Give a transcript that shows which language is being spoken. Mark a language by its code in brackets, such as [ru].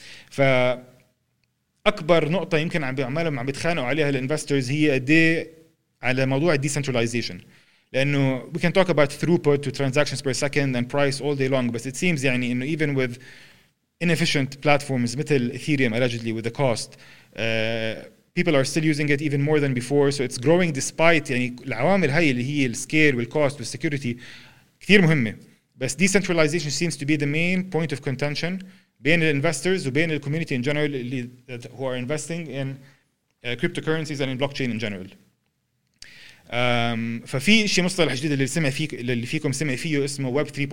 [ar] فأكبر نقطة يمكن عم بيعملهم عم بيتخانقوا عليها الانفسترز هي قدي على موضوع decentralization. [en] لأنه we can talk about throughput to transactions per second and price all day long, but it seems يعني إنه even with inefficient platforms مثل Ethereum allegedly with the cost, people are still using it even more than before, so it's growing despite [ar] يعني العوامل هاي اللي هي scale والcost والsecurity كثير مهمة. [en] بس decentralization seems to be the main point of contention بين الinvestors وبين the community in general اللي that who are investing in cryptocurrencies and in blockchain in general. [ar] ففي شيء مصطلح جديد اللي سمع فيه اللي فيكم سمع فيه اسمه Web 3.0.